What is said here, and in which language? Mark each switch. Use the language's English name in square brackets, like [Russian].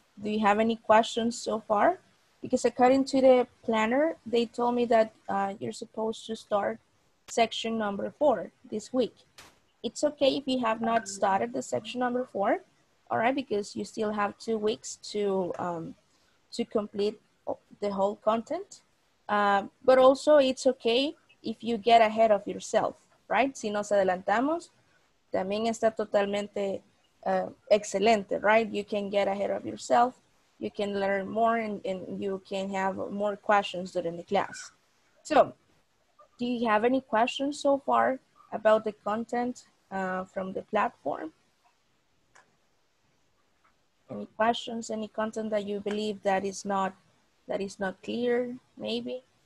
[English] Do you have any questions so far? Because according to the planner, they told me that you're supposed to start section number 4 this week. It's okay if you have not started the section number 4, all right, because you still have 2 weeks to complete the whole content. But also it's okay if you get ahead of yourself, right? [Spanish] Si nos adelantamos, también está totalmente excelente, right? [English] You can get ahead of yourself. You can learn more and you can have more questions during the class. So do you have any questions so far about the content from the platform? Any questions, any content that you believe that is not clear, maybe?